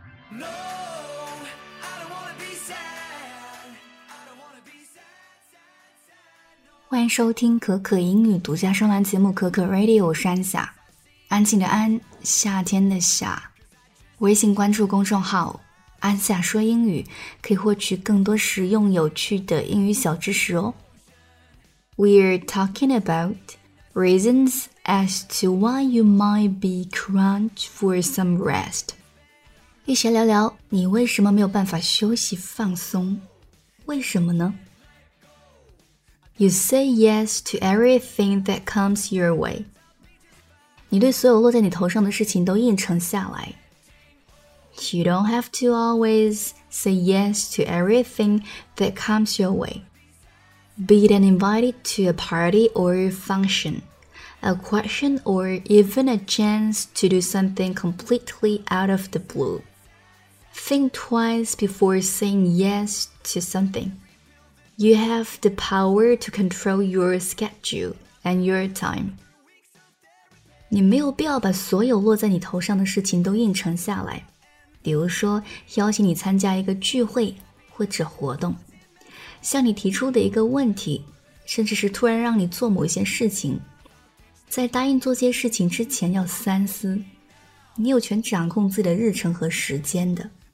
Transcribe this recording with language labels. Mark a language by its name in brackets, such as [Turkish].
[English] No, I don't wanna be sad. I don't wanna be sad. [Chinese] 欢迎收听可可英语独家声栏节目可可 Radio， 我是安夏，安静的安，夏天的夏。微信关注公众号安夏说英语，可以获取更多实用有趣的英语小知识哦。 [English] We're talking about reasons as to why you might be crunched for some rest. [Chinese] 一起聊聊你为什么没有办法休息放松，为什么呢？ [English] You say yes to everything that comes your way. [Chinese] 你对所有落在你头上的事情都应承下来。 [English] You don't have to always say yes to everything that comes your way. Be it an invited to a party or a function, a question or even a chance to do something completely out of the blue. Think twice before saying yes to something. You have the power to control your schedule and your time. [Chinese] 你没有必要把所有落在你头上的事情都应承下来，比如说邀请你参加一个聚会或者活动。向你提出的一个问题，甚至是突然让你做某一些事情，在答应做些事情之前要三思，你有权掌控自己的日程和时间的。